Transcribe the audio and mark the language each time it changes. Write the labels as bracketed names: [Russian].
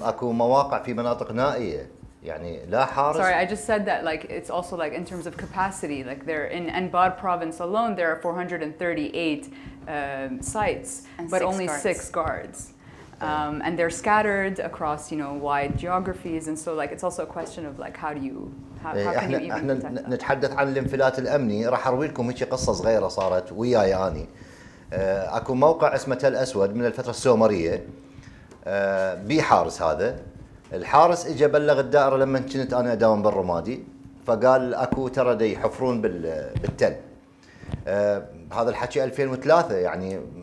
[Arabic] اكو مواقع في مناطق نائية يعني لا حارس. [English] Sorry, I just said that like it's also like in terms of capacity, like there in Anbar province alone there are 438 sites, but only six guards. And they're scattered across, you know, wide geographies, and so like it's also a question of like how can you even [Arabic] نتحدث عن الانفلات الأمني. راح أروي لكم هيك قصة صغيرة صارت وياي أني. أكو موقع اسمه تل أسود من الفترة السومرية. بحارس هذا. الحارس إجا بلغ الدائرة لما كنت أنا أداوم بالرمادي. فقال أكو ترى دي حفرون بالتل. هذا الحكي 2003 يعني.